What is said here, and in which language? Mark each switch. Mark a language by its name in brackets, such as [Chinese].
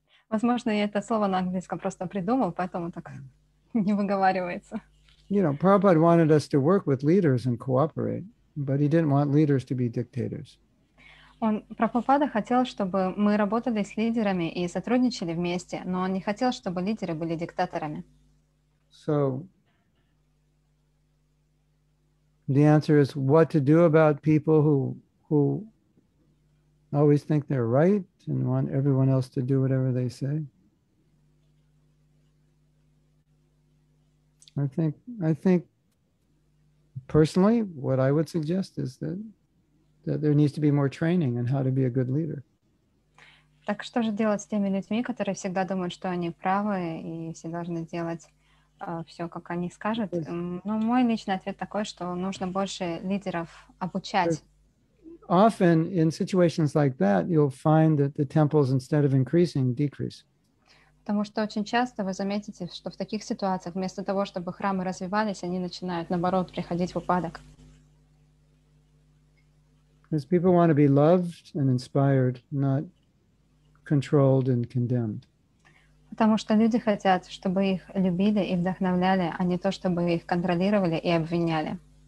[Russian] Возможно, я это слово на английском просто придумал, поэтому так не выговаривается. [English] You know, Prabhupada wanted us to work with leaders and cooperate, but he didn't want leaders to be dictators. [Russian] Он, Прабхупада, хотел, чтобы мы работали с лидерами и сотрудничали вместе, но он не хотел, чтобы лидеры были диктаторами. [English] So, the answer is what to do about people who always think they're right and want everyone else to do whatever they say. I think personally, what I would suggest is that there needs to be more training in how to be a good leader. [Russian] Так что же делать с теми людьми, которые всегда думают, что они правы и все должны делать все, как они скажут? [English] Yes. [Russian] Ну, мой личный ответ такой, что нужно больше лидеров обучать. [English] Often in situations like that, you'll find that the temples, instead of increasing, decrease. [Russian] Потому что очень часто вы заметите, что в таких ситуациях вместо того, чтобы храмы развивались, они начинают, наоборот, приходить в упадок. [English] Because people want to be loved and inspired, not controlled and condemned. [Russian] Потому что люди хотят, чтобы их любили и вдохновляли, а не то, чтобы их контролировали и обвиняли.